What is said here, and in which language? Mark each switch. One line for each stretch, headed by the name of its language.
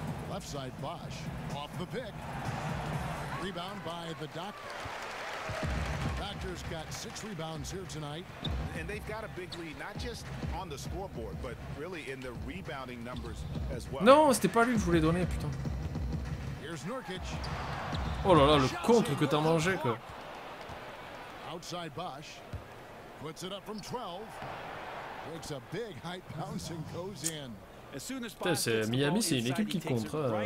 English: Left side, Bosch. Off the pick. Rebound by the doctor. Doctor's got 6 rebounds here tonight. And they've got a big lead, not just on the scoreboard, but really in the rebounding numbers as well.
French: Non, c'était pas lui que je voulais donner, putain.
English: Here's Nurkic.
French: Oh là là, le contre que t'as mangé, quoi.
English: Outside Bosch. Puts it up from 12. Makes a big height bounce and goes in.
French: Putain, c'est Miami, c'est une équipe qui contre.